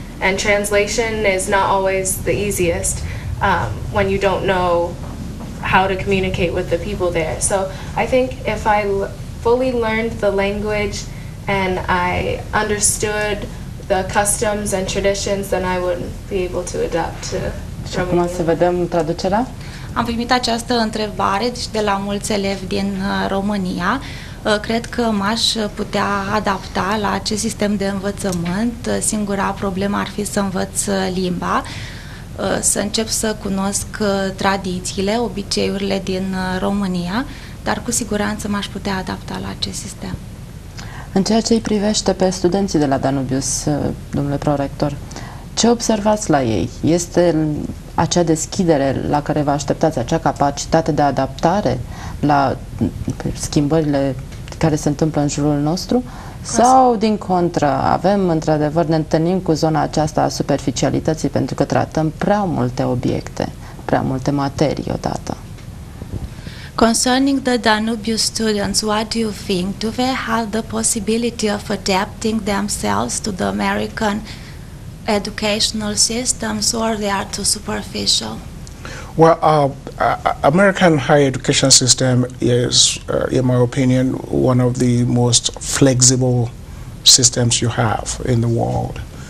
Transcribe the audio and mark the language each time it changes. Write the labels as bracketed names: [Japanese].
[English] And translation is not always the easiest when you don't know how to communicate with the people there. So I think if I fully learned the language and I understood the customs and traditions, then I would be able to adapt to. [Romanian] Acum să vedem traducerea. Am primit această întrebare de la mulți elevi din România. Cred că m-aș putea adapta la acest sistem de învățământ. Singura problemă ar fi să învăț limba, să încep să cunosc tradițiile, obiceiurile din România, dar cu siguranță m-aș putea adapta la acest sistem. În ceea ce îi privește pe studenții de la Danubius, domnule prorector, ce observați la ei? Este acea deschidere la care vă așteptați, acea capacitate de adaptare la schimbările care se întâmplă în jurul nostru? Sau, din contră, avem, într-adevăr, ne întâlnim cu zona aceasta a superficialității pentru că tratăm prea multe obiecte, prea multe materii odată. [English] Concerning the Danubius students, what do you think? Do they have the possibility of adapting themselves to the American educational systems, or they are too superficial? Well, American higher education system is, in my opinion, one of the most flexible systems you have in the world.